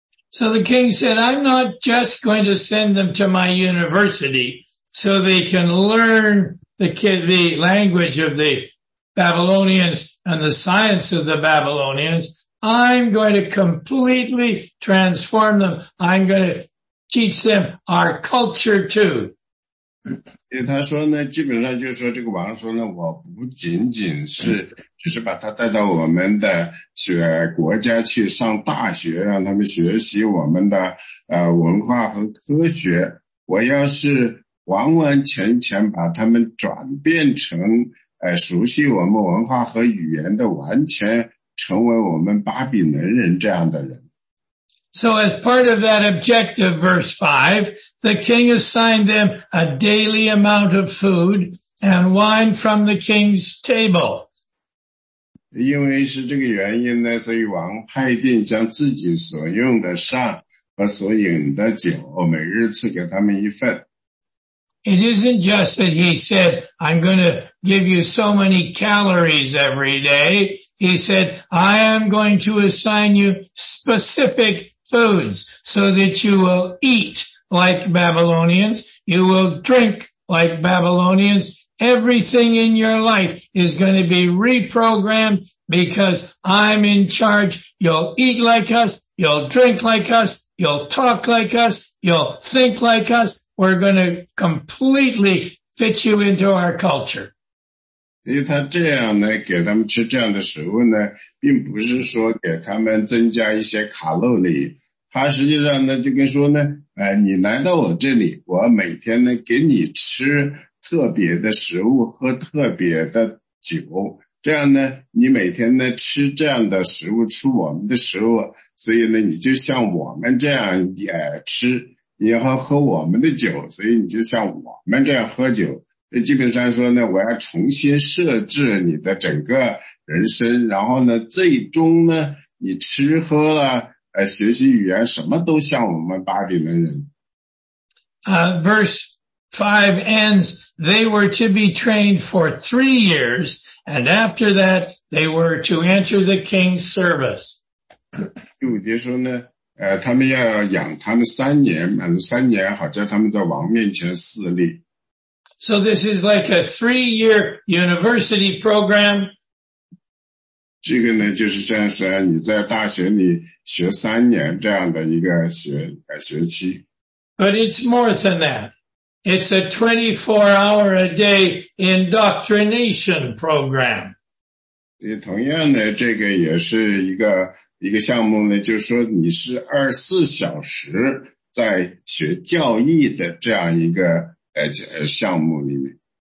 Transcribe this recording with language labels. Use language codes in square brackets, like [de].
[en] So the king said, I'm not just going to send them to my university. So they can learn the language of the Babylonians and the science of the Babylonians. I'm going to completely transform them. I'm going to teach them our culture too. [zh] 他说呢，基本上就是说这个王说呢，我不仅仅是只是把他带到我们的国家去上大学，让他们学习我们的文化和科学。我要是完完全全把他们转变成熟悉我们文化和语言的，完全成为我们巴比伦人这样的人。 [en] So as part of that objective, verse 5, the king assigned them a daily amount of food and wine from the king's table. [zh] 因为是这个原因呢，所以王派定将自己所用的膳和所饮的酒每日赐给他们一份。 [en] It isn't just that he said, I'm going to give you so many calories every day. He said, I am going to assign you specific foods so that you will eat like Babylonians. You will drink like Babylonians. Everything in your life is going to be reprogrammed because I'm in charge. You'll eat like us. You'll drink like us. You'll talk like us. You'll think like us. We're going to completely fit you into our culture. [zh] 因为他这样呢，给他们吃这样的食物呢，并不是说给他们增加一些卡路里。他实际上呢，就跟说呢，你来到我这里，我每天呢给你吃特别的食物，喝特别的酒。这样呢，你每天呢吃这样的食物，吃我们的食物，所以呢，你就像我们这样也吃。你要喝我们的酒，所以你就像我们这样喝酒。那基本上说呢，我要重新设置你的整个人生，然后呢，最终呢，你吃喝了，学习语言，什么都像我们巴比伦人。 [en] Verse 5 ends, they were to be trained for 3 years, and after that, they were to enter the king's service. [zh] 第五节说呢，他们要养他们三年，满三年，好叫他们在王面前侍立。 [en] So this is like a 3-year university program. [zh] 这个呢，就是像是你在大学里学三年这样的一个学期。 [en] But it's more than that. It's a 24-hour-a-day indoctrination program. [zh] 同样呢，这个也是一个项目呢，就是说你是24小时在学教义的这样一个项目里面。